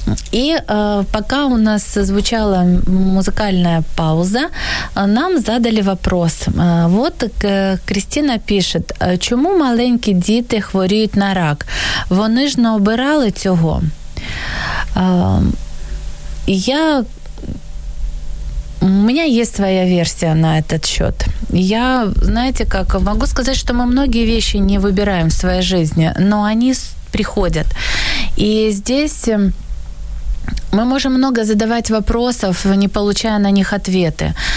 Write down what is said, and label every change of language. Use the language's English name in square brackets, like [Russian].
[Russian] И пока у нас звучала музыкальная пауза, нам задали вопрос. Вот Кристина пишет, [Ukrainian] чому маленькі діти хворіють на рак? Вони ж не обирали цього. Я [Russian] У меня есть своя версия на этот счет. Я, знаете как, могу сказать, что мы многие вещи не выбираем в своей жизни, но они приходят. И здесь мы можем много задавать вопросов, не получая на них ответы.